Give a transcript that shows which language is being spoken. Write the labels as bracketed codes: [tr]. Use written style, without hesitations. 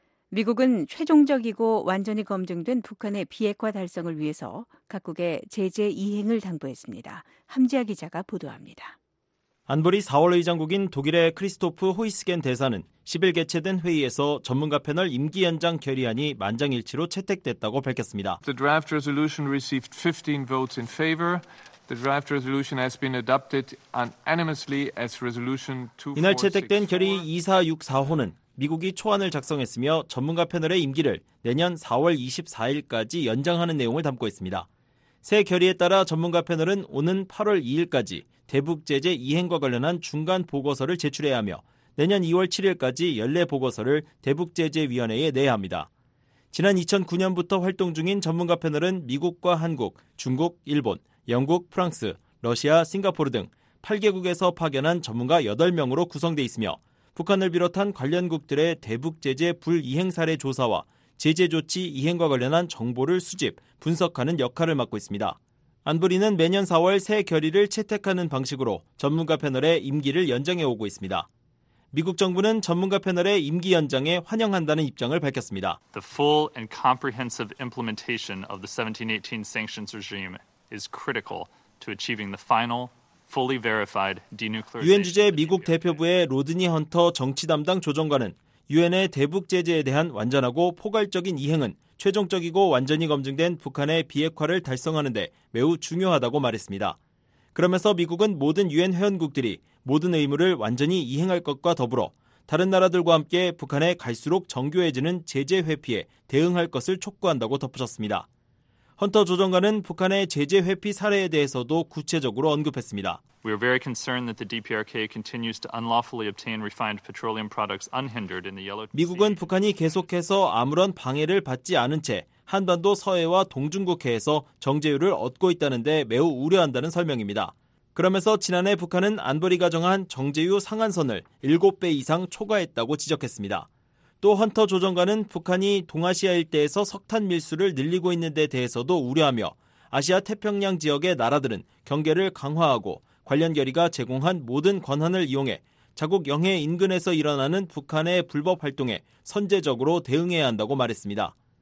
[ko] 미국은 최종적이고 완전히 검증된 북한의 비핵화 달성을 위해서 각국에 제재 이행을 당부했습니다. 함지아 기자가 보도합니다. 안보리 4월 의장국인 독일의 크리스토프 호이스겐 대사는 10일 개최된 회의에서 전문가 패널 임기 연장 결의안이 만장일치로 채택됐다고 밝혔습니다. [en] The draft resolution received 15 votes in favor. The draft resolution has been adopted unanimously as resolution 2464. [ko] 이날 채택된 결의 2464호는 미국이 초안을 작성했으며 전문가 패널의 임기를 내년 4월 24일까지 연장하는 내용을 담고 있습니다. 새 결의에 따라 전문가 패널은 오는 8월 2일까지 대북 제재 이행과 관련한 중간 보고서를 제출해야 하며 내년 2월 7일까지 연례 보고서를 대북 제재 위원회에 내야 합니다. 지난 2009년부터 활동 중인 전문가 패널은 미국과 한국, 중국, 일본, 영국, 프랑스, 러시아, 싱가포르 등 8개국에서 파견한 전문가 8명으로 구성돼 있으며 북한을 비롯한 관련국들의 대북 제재 불이행 사례 조사와 제재 조치 이행과 관련한 정보를 수집, 분석하는 역할을 맡고 있습니다. 안보리는 매년 4월 새 결의를 채택하는 방식으로 전문가 패널의 임기를 연장해 오고 있습니다. 미국 정부는 전문가 패널의 임기 연장에 환영한다는 입장을 밝혔습니다. [en] The full and comprehensive implementation of the 1718 sanctions regime is critical to achieving the final fully verified denuclearization. [ko] 유엔 주재 미국 대표부의 로드니 헌터 정치 담당 조정관은 유엔의 대북 제재에 대한 완전하고 포괄적인 이행은 최종적이고 완전히 검증된 북한의 비핵화를 달성하는 데 매우 중요하다고 말했습니다. 그러면서 미국은 모든 유엔 회원국들이 모든 의무를 완전히 이행할 것과 더불어 다른 나라들과 함께 북한의 갈수록 정교해지는 제재 회피에 대응할 것을 촉구한다고 덧붙였습니다. 헌터 조정관은 북한의 제재 회피 사례에 대해서도 구체적으로 언급했습니다. [en] We are very concerned that the DPRK continues to unlawfully obtain refined petroleum products unhindered in the Yellow Sea. [ko] 미국은 북한이 계속해서 아무런 방해를 받지 않은 채 한반도 서해와 동중국해에서 정제유를 얻고 있다는데 매우 우려한다는 설명입니다. 그러면서 지난해 북한은 안보리가 정한 정제유 상한선을 7배 이상 초과했다고 지적했습니다. 또 헌터 조정관은 북한이 동아시아 일대에서 석탄 밀수를 늘리고 있는 데 대해서도 우려하며 아시아 태평양 지역의 나라들은 경계를 강화하고 관련 결의가 제공한 모든 권한을 이용해 자국 영해 인근에서 일어나는 북한의 불법 활동에 선제적으로 대응해야 한다고 말했습니다.